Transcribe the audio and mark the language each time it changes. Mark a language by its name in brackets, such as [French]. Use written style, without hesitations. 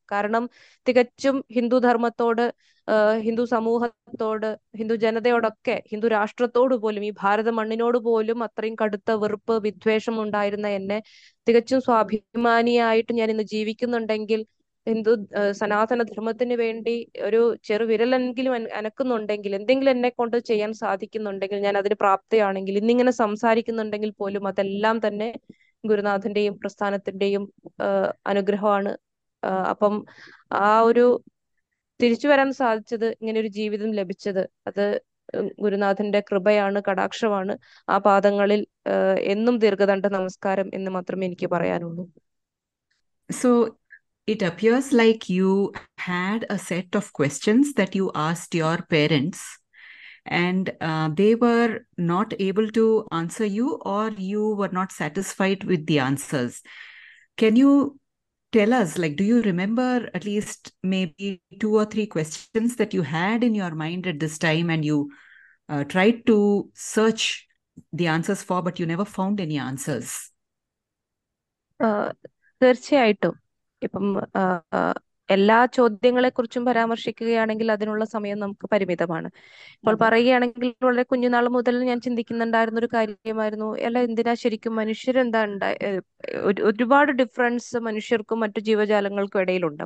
[Malayalam] കാരണം തികച്ചും ഹിന്ദു ധർമ്മത്തോട്, ഹിന്ദു സമൂഹത്തോട്, ഹിന്ദു ജനതയോടൊക്കെ, ഹിന്ദു രാഷ്ട്രത്തോട് പോലും, ഈ ഭാരത മണ്ണിനോട് പോലും അത്രയും കടുത്ത വെറുപ്പ് വിദ്വേഷം ഉണ്ടായിരുന്ന എന്നെ തികച്ചും സ്വാഭിമാനിയായിട്ട് ഞാൻ ഇന്ന് ജീവിക്കുന്നുണ്ടെങ്കിൽ, ഹിന്ദു സനാതന ധർമ്മത്തിന് വേണ്ടി ഒരു ചെറുവിരലെങ്കിലും അനക്കുന്നുണ്ടെങ്കിൽ, എന്തെങ്കിലും എന്നെ കൊണ്ട് ചെയ്യാൻ സാധിക്കുന്നുണ്ടെങ്കിൽ, ഞാൻ അതിന് പ്രാപ്തയാണെങ്കിൽ, ഇന്നിങ്ങനെ സംസാരിക്കുന്നുണ്ടെങ്കിൽ പോലും, അതെല്ലാം തന്നെ ഗുരുനാഥന്റെയും പ്രസ്ഥാനത്തിന്റെയും അനുഗ്രഹമാണ്. അപ്പം ആ ഒരു തിരിച്ചു വരാൻ സാധിച്ചത്, ഇങ്ങനെ ഒരു ജീവിതം ലഭിച്ചത്, അത് ഗുരുനാഥന്റെ കൃപയാണ്, കടാക്ഷമാണ്. ആ പാദങ്ങളിൽ എന്നും ദീർഘദണ്ഡ നമസ്കാരം എന്ന് മാത്രമേ എനിക്ക് പറയാനുള്ളൂ. [English] So it appears like you had a set of questions that you asked your parents, and they were not able to answer you, or you were not satisfied with the answers. Can you tell us, like, do you remember at least maybe 2 or 3 questions that you had in your mind at this time, and you tried to search the answers for, but you never found any answers? [Malayalam] തീർച്ചയായിട്ടും. ഇപ്പം എല്ലാ ചോദ്യങ്ങളെക്കുറിച്ചും പരാമർശിക്കുകയാണെങ്കിൽ അതിനുള്ള സമയം നമുക്ക് പരിമിതമാണ്. ഇപ്പോൾ പറയുകയാണെങ്കിൽ വളരെ കുഞ്ഞുനാൾ മുതൽ ഞാൻ ചിന്തിക്കുന്നുണ്ടായിരുന്ന ഒരു കാര്യമായിരുന്നു, അല്ല എന്തിനാ ശരിക്കും മനുഷ്യരെന്താ ഉണ്ടായ ഒരുപാട് ഡിഫറൻസ് മനുഷ്യർക്കും മറ്റു ജീവജാലങ്ങൾക്കും ഇടയിലുണ്ട്.